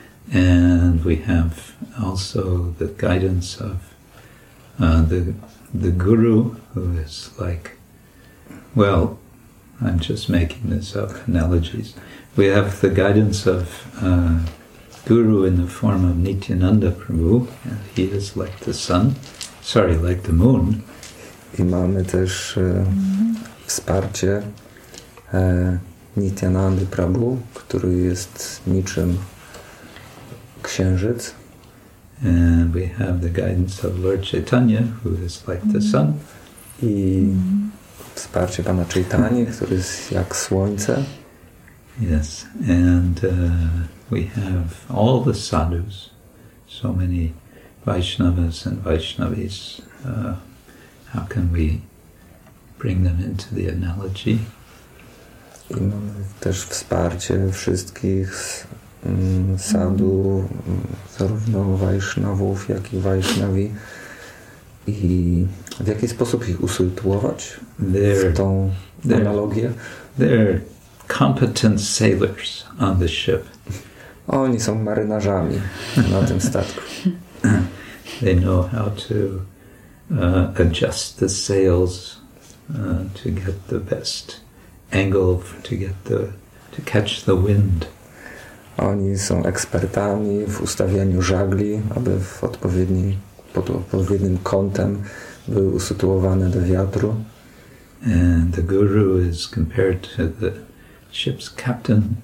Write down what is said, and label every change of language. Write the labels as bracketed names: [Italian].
[English] And we have also the guidance of the guru, who is like, well, I'm just making this up, analogies. We have the guidance of guru in the form of Nityananda Prabhu, and he is like the sun, sorry, like the moon. [Polish] I mamy też wsparcie Nityanandy Prabhu, który jest niczym księżyc. [English] And we have the guidance of Lord Chaitanya, who is like the sun. [Polish] I wsparcie Pana Chaitanya, który jest jak słońce. [English] Yes, and we have all the sadhus, so many Vaishnavas and Vaishnavis. How can we bring them into the analogy? [Polish] I mamy też wsparcie wszystkich sadhu, zarówno Vaishnavów, jak i Vaishnavi. I w jaki sposób ich usytuować w tą analogię? [English] They're competent sailors on the ship. [Polish] Oni są marynarzami na tym statku. [English] They know how to adjust the sails to get the best angle to get the to catch the wind. [Polish] Oni są ekspertami w ustawianiu żagli, aby w odpowiednim pod odpowiednim kątem były usytuowane do wiatru. [English] And the guru is compared to the ship's captain.